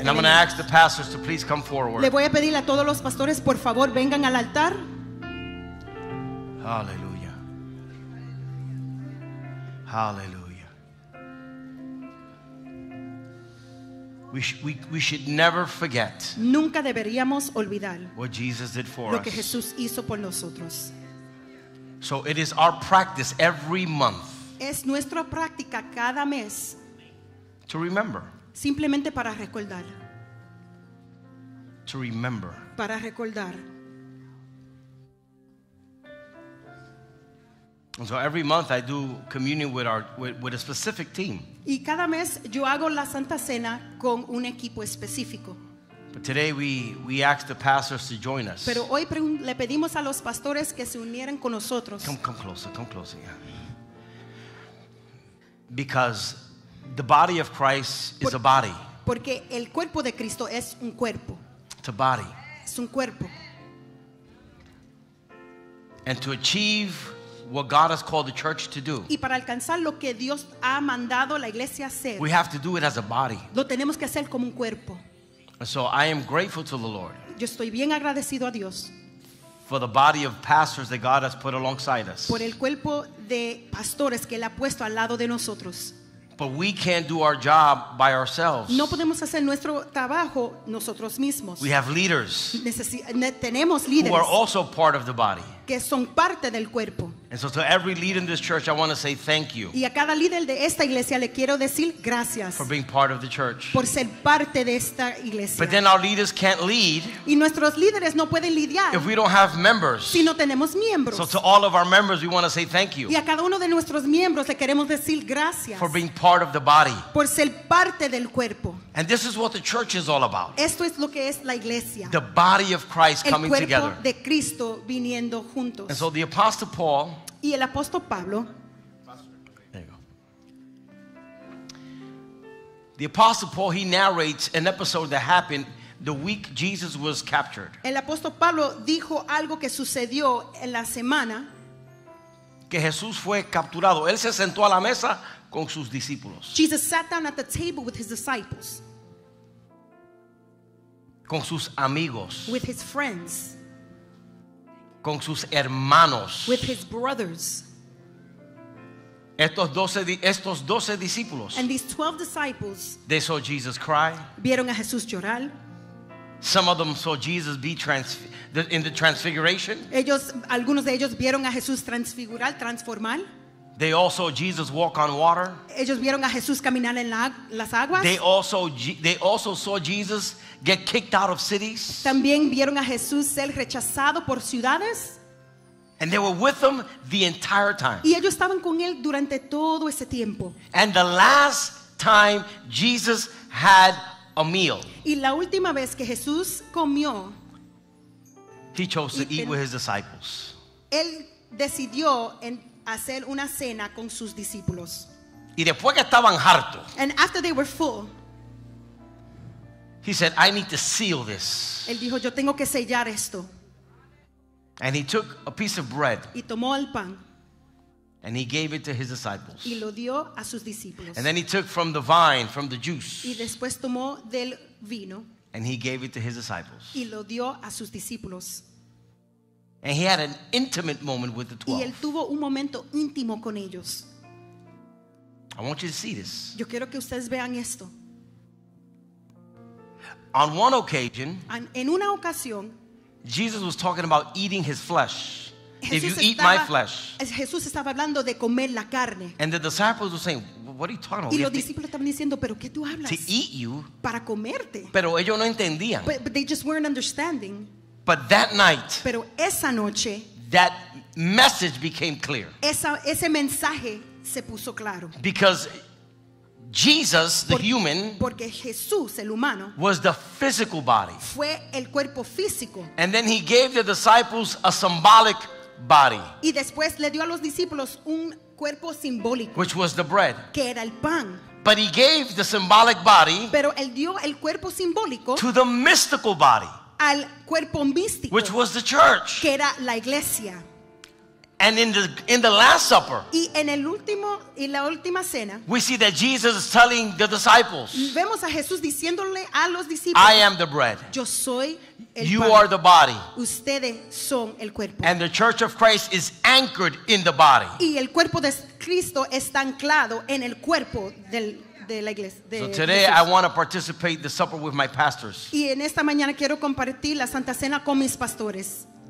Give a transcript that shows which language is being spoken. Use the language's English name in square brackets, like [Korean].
[English] And I'm going to ask the pastors to please come forward. [Spanish] Le voy a pedir a todos los pastores, por favor, vengan al altar. [English] Hallelujah. Hallelujah. We should never forget. [Spanish] Nunca deberíamos olvidar. [English] What Jesus did for us. [Spanish] Lo que Jesús hizo por nosotros. [English] So it is our practice every month. [Spanish] Es nuestra práctica cada mes. [English] To remember. [Spanish] Simplemente para recordar. [English] To remember. [Spanish] Para recordar. [English] And so every month I do communion with a specific team. [Spanish] Y cada mes yo hago la Santa Cena con un equipo específico. [English] But today we ask the pastors to join us. [Spanish] Pero hoy le pedimos a los pastores que se unieran con nosotros. [English] Come closer, yeah. Because the body of Christ is a body. [Spanish] Porque el cuerpo de Cristo es un cuerpo. [English] It's a body. [Spanish] Es un cuerpo. [English] And to achieve what God has called the church to do. [Spanish] Y para alcanzar lo que Dios ha mandado la iglesia hacer. [English] We have to do it as a body. [Spanish] Lo tenemos que hacer como un cuerpo. [English] So I am grateful to the Lord. [Spanish] Yo estoy bien agradecido a Dios. [English] For the body of pastors that God has put alongside us. [Spanish] Por el cuerpo de pastores que él ha puesto al lado de nosotros. [English] But we can't do our job by ourselves. [Spanish] No podemos hacer nuestro trabajo nosotros mismos. [English] We have leaders. [Spanish] Tenemos líderes. [English] Who are also part of the body. [Spanish] Que son parte del cuerpo. [English] And so to every leader in this church, I want to say thank you. [Spanish] Y a cada líder de esta iglesia le quiero decir gracias. [English] For being part of the church. [Spanish] Por ser parte de esta iglesia. [English] But then our leaders can't lead. [Spanish] Y nuestros líderes no pueden lidiar. [English] If we don't have members. [Spanish] Si no tenemos miembros. [English] So to all of our members, we want to say thank you. [Spanish] Y a cada uno de nuestros miembros le queremos decir gracias. [English] For being part of the body. [Spanish] Por ser parte del cuerpo. [English] And this is what the church is all about. [Spanish] Esto es lo que es la iglesia. [English] The body of Christ coming together. [Spanish] El cuerpo de Cristo viniendo juntos. [English] And so the apostle Paul. [Spanish] Y el apóstol Pablo. [English] There you go. The apostle Paul, he narrates an episode that happened the week Jesus was captured. [Spanish] El apóstol Pablo dijo algo que sucedió en la semana que Jesús fue capturado. Él se sentó a la mesa con sus discípulos. [English] Jesus sat down at the table with his disciples. [Spanish] Con sus amigos. [English] With his friends. [Spanish] Con sus hermanos. [English] With his brothers. [Spanish] Estos doce discípulos. [English] And these 12 disciples. They saw Jesus cry. [Spanish] Vieron a Jesús llorar. [English] Some of them saw Jesus be in the transfiguration. [Spanish] Ellos, algunos de ellos vieron a Jesús transfigurar, transformar. [English] They all saw Jesus walk on water. [Spanish] Ellos vieron a Jesús caminar en las aguas. [English] They also saw Jesus get kicked out of cities. [Spanish] También vieron a Jesús ser rechazado por ciudades. [English] And they were with him the entire time. [Spanish] Y ellos estaban con él durante todo ese tiempo. [English] And the last time Jesus had a meal. [Spanish] Y la última vez que Jesús comió. [English] He chose to eat with his disciples. [Spanish] Él decidió en hacer una cena con sus discípulos. Y después que estaban hartos, [English] and after they were full, he said, I need to seal this. [Spanish] Él dijo, yo tengo que sellar esto. [English] And he took a piece of bread. [Spanish] Y tomó el pan. [English] And he gave it to his disciples. [Spanish] Y lo dio a sus discípulos. [English] And then he took from the vine, from the juice. [Spanish] Y después tomó del vino. [English] And he gave it to his disciples. [Spanish] Y lo dio a sus discípulos. [English] And he had an intimate moment with the 12. [Spanish] Y él tuvo un momento íntimo con ellos. [English] I want you to see this. [Spanish] Yo quiero que ustedes vean esto. [English] On one occasion, [Spanish] en una ocasión, [English] Jesus was talking about eating his flesh. If you eat my flesh. [Spanish] Jesús estaba hablando de comer la carne. [English] And the disciples were saying, what are you talking about? [Spanish] Y los discípulos estaban diciendo, ¿pero qué tú hablas? [English] To eat you. [Spanish] Para comerte. Pero ellos no entendían. [English] But they just weren't understanding. But that night. [Spanish] Pero esa noche. [English] That message became clear. [Spanish] Ese mensaje se puso claro. [English] Because Jesus, the human, [Spanish] porque Jesús, el humano, [English] was the physical body. [Spanish] Fue el cuerpo físico. [English] And then he gave the disciples a symbolic body. [Spanish] Y después le dio a los discípulos un cuerpo simbólico, [English] which was the bread. [Spanish] Que era el pan. [English] But he gave the symbolic body, [Spanish] pero él dio el cuerpo simbólico, [English] to the mystical body, [Spanish] al cuerpo místico, [English] which was the church. [Spanish] Que era la iglesia. [English] And in the Last Supper, [Spanish] y en el último, y la última cena, [English] we see that Jesus is telling the disciples, [Spanish] vemos a Jesús diciéndole a los discípulos, [English] I am the bread. [Spanish] Yo soy el [English] you [Spanish] pan. [English] Are the body. [Spanish] Ustedes son el cuerpo. [English] And the church of Christ is anchored in the body. [Spanish] Y el cuerpo de Cristo está anclado en el cuerpo del, de la iglesia, de [English] so today [Spanish] Jesús. [English] I want to participate the supper with my pastors. [Spanish] Y en esta mañana quiero compartir la Santa Cena con mis pastores.